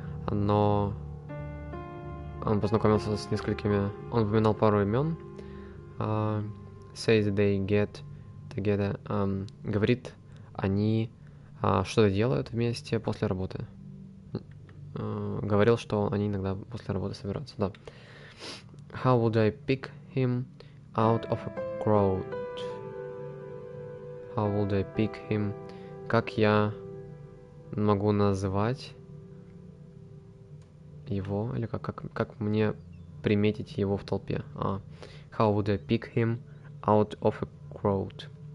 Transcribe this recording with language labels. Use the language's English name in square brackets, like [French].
[Russian] Но он познакомился с несколькими. Он упоминал пару имен. [English] Says they get together. [Russian] Говорит, они что-то делают вместе после работы. Говорил, что они иногда после работы собираются. Да. [English] How would I pick him out of a crowd? How would I pick him? [Russian] Как я могу называть его? Или как мне приметить его в толпе? А. [English] How would I pick him out of a crowd?